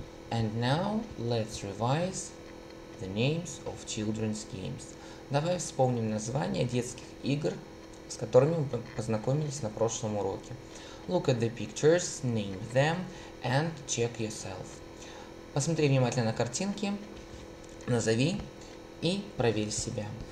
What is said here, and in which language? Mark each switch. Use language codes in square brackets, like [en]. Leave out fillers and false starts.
[en] And now let's revise the names of children's games. [ru] Давай вспомним названия детских игр, с которыми мы познакомились на прошлом уроке. [en] Look at the pictures, name them and check yourself. [ru] Посмотри внимательно на картинки, назови и проверь себя.